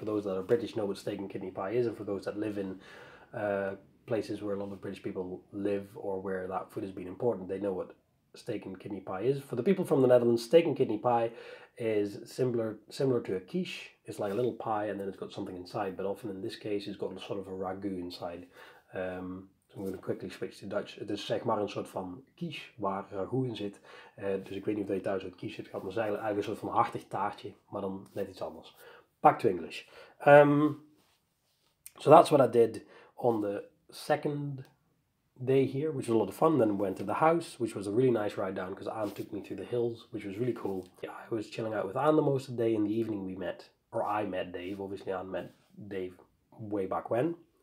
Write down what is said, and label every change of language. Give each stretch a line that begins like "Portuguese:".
English: For those that are British, know what steak and kidney pie is, and for those that live in places where a lot of British people live or where that food has been important, they know what steak and kidney pie is. For the people from the Netherlands, steak and kidney pie is similar to a quiche. It's like a little pie and then it's got something inside, but often in this case it's got sort of a ragu inside. So I'm going to quickly switch to Dutch.
Dutch: Het is zeg maar een soort van quiche waar ragu in zit. Dus ik weet niet of je thuis uit quiche hebt gehad, maar het is eigenlijk een soort van hartig taartje, maar dan net iets anders.
English: Back to English. So that's what I did on the second day here, which was a lot of fun. Then went to the house, which was a really nice ride down because Anne took me through the hills, which was really cool. Yeah, I was chilling out with Anne the most of the day. In the evening we met, or I met Dave. Obviously Anne met Dave way back when.